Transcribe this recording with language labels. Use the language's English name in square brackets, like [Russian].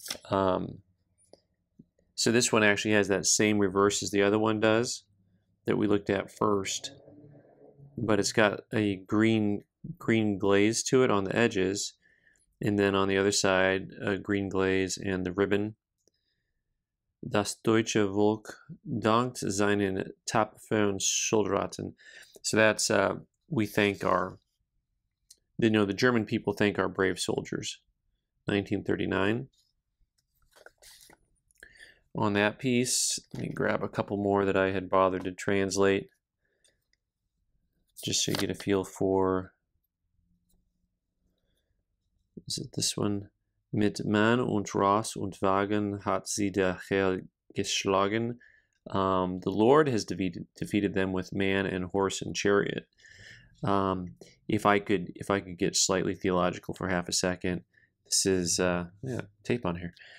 [English] So this one actually has that same reverse as the other one does that we looked at first, but it's got a green glaze to it on the edges, and then on the other side, a green glaze and the ribbon. [German] Das deutsche Volk dankt seinen tapferen Soldaten. [English] So that's we thank our, the German people thank our brave soldiers. 1939. On that piece, let me grab a couple more that I had bothered to translate, just so you get a feel for. Is it this one? [German] Mit Mann und Ross und Wagen hat sie der Herr geschlagen. [English] The Lord has defeated them with man and horse and chariot. If I could get slightly theological for half a second, this is tape on here.